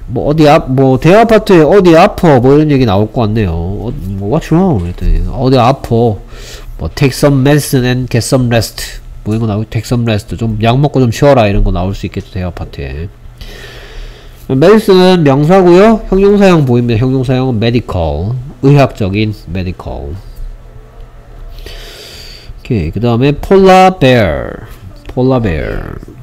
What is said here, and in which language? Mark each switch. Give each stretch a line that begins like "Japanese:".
Korean: 뭐 어디 아, 뭐 대아파트에 어디 아파 뭐 이런 얘기 나올 것 같네요. 뭐
English: what's wrong?
Korean: 그랬더니 어디 아파.
English: 뭐 take some medicine and get some rest.
Korean: 뭐 이런 거 나오고
English: take some rest.
Korean: 좀 약 먹고 좀 쉬어라 이런 거 나올 수 있겠죠 대아파트에. medicine은 명사고요. 형용사형 보입니다. 형용사형은 medical, 의학적인 medical. 오케이. 그 다음에 polar bear. polar bear.